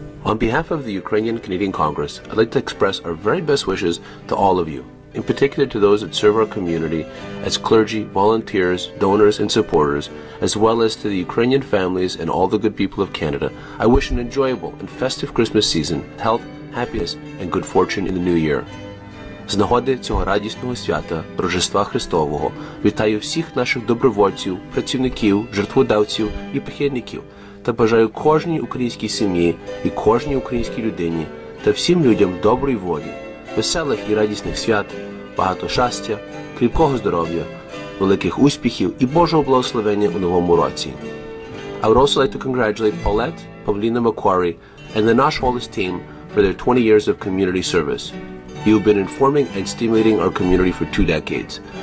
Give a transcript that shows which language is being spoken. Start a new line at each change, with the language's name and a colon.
English: On behalf of the Ukrainian-Canadian Congress, I'd like to express our very best wishes to all of you, in particular to those that serve our community as clergy, volunteers, donors, and supporters, as well as to the Ukrainian families and all the good people of Canada. I wish an enjoyable and festive Christmas season, health, happiness, and good fortune in the new year.
Ukrainian: З нагоди цього радісного свята, Рождества Христового, вітаю всіх наших добровольців, працівників, жертводавців і прихильників та бажаю кожній українській сім'ї і кожній українській людині та всім людям доброї волі, веселих і радісних свят, багато щастя, кріпкого здоров'я, великих успіхів і Божого благословення у новому році.
English: I would also like to congratulate Paulette, Pavlina Macquarie and the Nash Holos team for their 20 years of community service. You've been informing and stimulating our community for two decades.